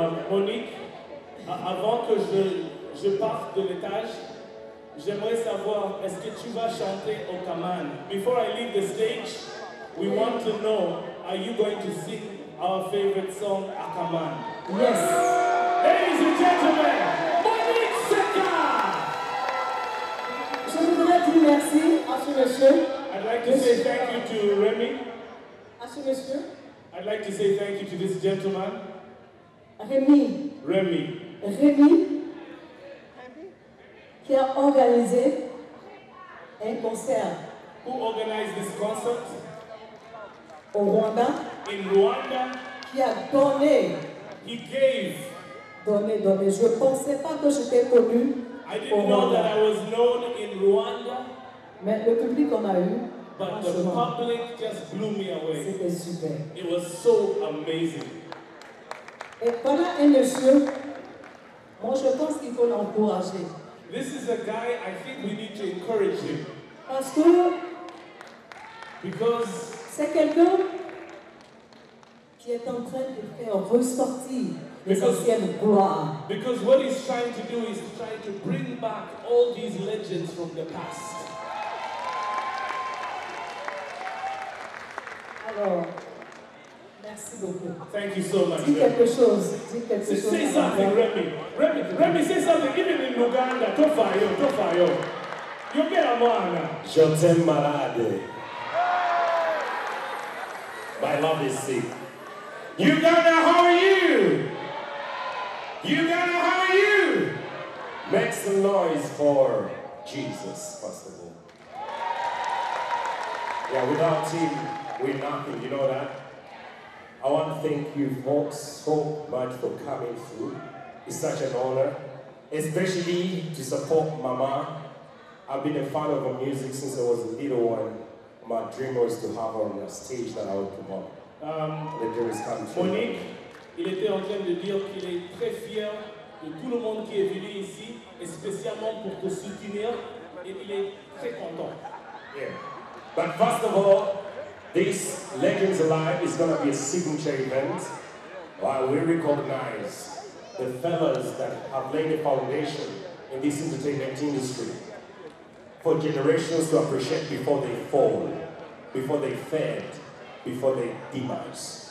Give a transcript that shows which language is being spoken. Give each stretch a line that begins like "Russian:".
French: Monique, avant que je parte de l'étage, j'aimerais savoir, est-ce que tu vas chanter au Kaman?
English: Before I leave the stage, we want to know, are you going to sing our favorite song, A Kaman? Yes. Ladies and gentlemen, Monique Seka!
French: Je voudrais dire merci à ce monsieur.
English: I'd like to say thank you to Remy.
French: À ce monsieur.
English: I'd like to say thank you to this gentleman.
French: Remy, qui a organisé un concert.
English: Who organized this concert?
French: Au Rwanda.
English: In Rwanda.
French: Qui a donné.
English: He gave.
French: Donné. Je ne pensais pas que j'étais connu.
English: I didn't know that I was known in Rwanda.
French: Mais le public en a eu.
English: But the public just blew me away.
French: C'était super.
English: It was so amazing.
French: Et voilà un monsieur, moi je pense qu'il faut l'encourager.
English: This is a guy, I think we need to encourage him.
French: Parce que...
English: Because...
French: C'est quelqu'un qui est en train de faire ressortir les anciennes gloires.
English: Because what he's trying to do is trying to bring back all these legends from the past.
French: Alors... Merci beaucoup.
English: Thank you so much.
French: Dis quelque chose. Dis quelque chose.
English: Say something, Remy, say something. Even in Uganda, tofayo. You get a mwana.
French: Je t'aime malade.
English: My love is sick. Uganda, how are you? Uganda, how are you? Make some noise for Jesus, first of all. Yeah, without him, we're nothing. You know that? I want to thank you folks so much for coming through. It's such an honor, especially to support Mama. I've been a fan of her music since I was a little one. My dream was to have her on a stage that I would come on. The dream is coming true.
French: Monique, il était en train de dire qu'il est très fier de tout le monde qui est venu ici, spécialement pour te soutenir, et il est très content.
English: Yeah. But first of all, this Legends Alive is going to be a signature event while we recognize the fellows that have laid the foundation in this entertainment industry for generations to appreciate before they fall, before they fade, before they demise.